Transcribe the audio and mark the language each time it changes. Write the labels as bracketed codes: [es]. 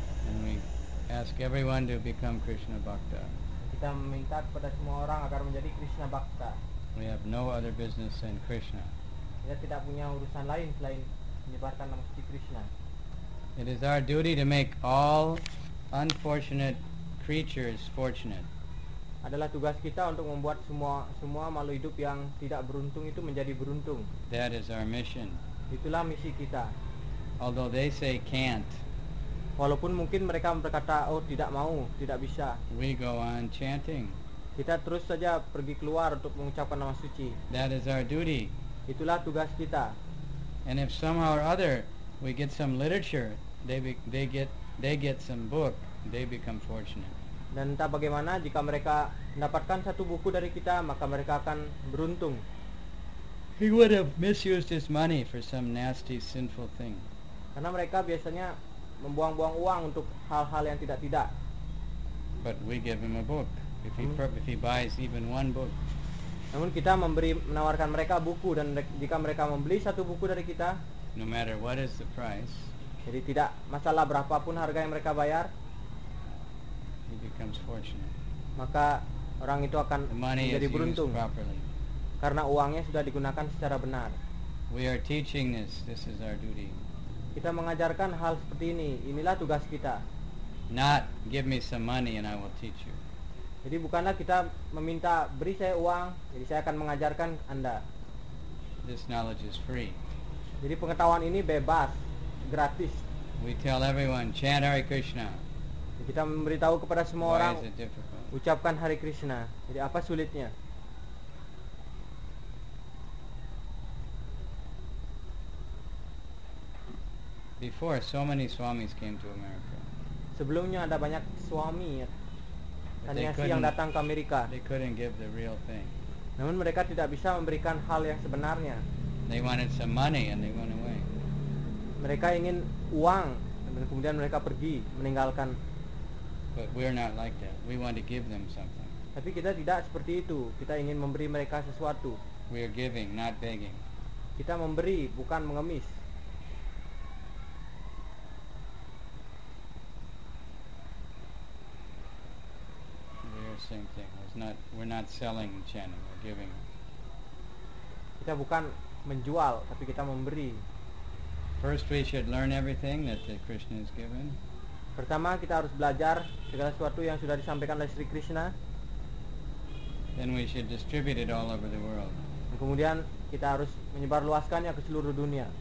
[en] And we ask everyone to become Krishna Bhakta. [id] Kita meminta kepada semua orang agar menjadi Krishna Bhakta. [en] We have no other business than Krishna. [id] Kita tidak punya urusan lain selain menyebarkan nama Sri Krishna. [en] It is our duty to make all unfortunate creatures fortunate. [id] Adalah tugas kita untuk membuat semua makhluk hidup yang tidak beruntung itu menjadi beruntung. [en] That is our mission. [id] Itulah misi kita. [en] Although they say can't. [id] Walaupun mungkin mereka berkata, oh tidak mau, tidak bisa. [en] We go on chanting. [id] Kita terus saja pergi keluar untuk mengucapkan nama suci. [en] That is our duty. [id] Itulah tugas kita. [en] And if somehow or other we get some literature, they get some book, they become fortunate. [id] Dan entah bagaimana jika mereka mendapatkan satu buku dari kita, maka mereka akan beruntung. [en] He would have misused his money for some nasty, sinful thing. [id] Karena mereka biasanya membuang-buang uang untuk hal-hal yang tidak-tidak. [en] But we give him a book if he buys even one book. [id] Namun kita menawarkan mereka buku, dan jika mereka membeli satu buku dari kita, [en] no matter what is the price, [id] jadi tidak masalah berapapun harga yang mereka bayar, [en] he becomes fortunate. [id] Maka orang itu akan menjadi beruntung karena uangnya sudah digunakan secara benar. [en] We are teaching this. This is our duty. [id] Kita mengajarkan hal seperti ini. Inilah tugas kita. [en] Not give me some money and I will teach you. [id] Jadi bukanlah kita meminta beri saya uang, jadi saya akan mengajarkan Anda. [en] This knowledge is free. [id] Jadi pengetahuan ini bebas, gratis. [en] We tell everyone, chant Hare Krishna. [id] Jadi kita memberitahu kepada semua [en] Why [id] orang, [en] is it difficult? [id] Ucapkan Hare Krishna. Jadi apa sulitnya? [en] Before, so many swamis came to America. [id] Sebelumnya ada banyak swami, sanyasi yang datang ke Amerika. [en] They couldn't give the real thing. [id] Namun mereka tidak bisa memberikan hal yang sebenarnya. [en] They wanted some money and they went away. [id] Mereka ingin uang, dan kemudian mereka pergi, meninggalkan. [en] But we're not like that. We want to give them something. [id] Tapi kita tidak seperti itu. Kita ingin memberi mereka sesuatu. [en] We are giving, not begging. [id] Kita memberi, bukan mengemis. [en] Same thing. We're not selling chanting. We're giving. [id] Kita bukan menjual, tapi kita memberi. [en] First, we should learn everything that the Krishna has given. [id] Pertama, kita harus belajar segala sesuatu yang sudah disampaikan oleh Sri Krishna. [en] Then we should distribute it all over the world. [id] Dan kemudian kita harus menyebarluaskannya ke seluruh dunia.